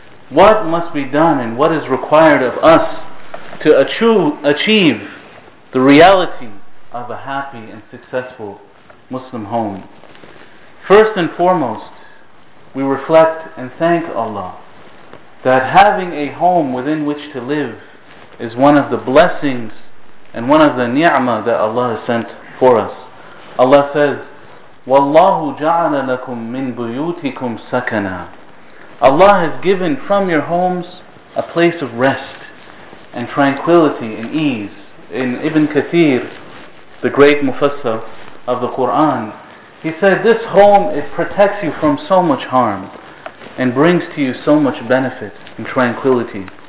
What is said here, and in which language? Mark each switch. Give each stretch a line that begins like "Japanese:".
English: What must be done and what is required of us to achieve the reality of a happy and successful Muslim home? First and foremost, we reflect and thank Allah that having a home within which to live is one of the blessings and one of the ni'mah that Allah has sent for us. Allah says,
Arabic: وَاللَّهُ جَعَلَ لَكُم مِّن بُيُوتِكُمْ سَكَنًا.
English: Allah has given from your homes a place of rest and tranquility and ease. In Ibn Kathir, the great Mufassir of the Qur'an, he said, this home, it protects you from so much harm and brings to you so much benefit and tranquility.